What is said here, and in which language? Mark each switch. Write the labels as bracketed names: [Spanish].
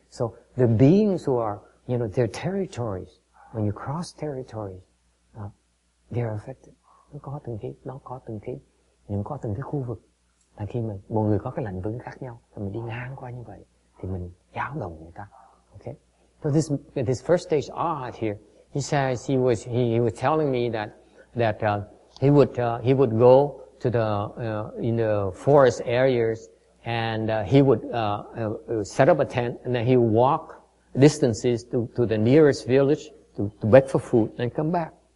[English] So the beings who are, you know, their territories, when you cross territories, they are affected. [Vietnamese] Nó có từng cái khu vực. Là khi mà một người có cái lãnh vững khác nhau, thì mình đi ngang qua như vậy, thì mình giáo động người ta. Okay? [English] So this first stage art here, he says he was telling me that he would go to the in the forest areas, and he would set up a tent, and then he would walk distances to the nearest village to beg for food and come back.